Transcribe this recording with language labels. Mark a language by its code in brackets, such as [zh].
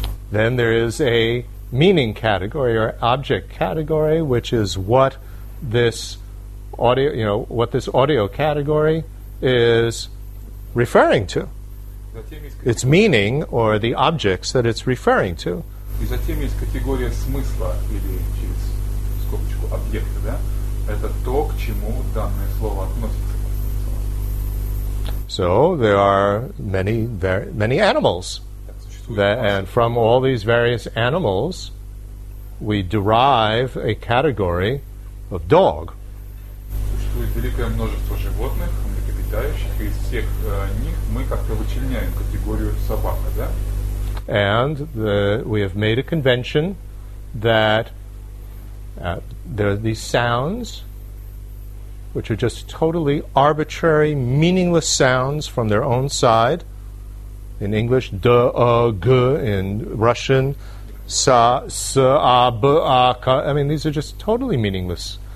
[en] Then there is a meaning category or object category, which is what this audio, what this audio category is referring to. Its meaning or the objects that it's referring to. [ru] И затем есть категория смысла или через скобочку объекта, да? Это то, к чему данное слово относится. [en] So there are many, many animals, and from all these various animals, we derive a category of dog. [ru] Существует великое множество животных, млекопитающих, и из всех них мы как-то вычленяем категорию собака, да? [en] And we have made a convention that there are these sounds, which are just totally arbitrary, meaningless sounds from their own side. In English, da, g, in Russian, sa, s, a, b, a, ka. I mean, these are just totally meaningless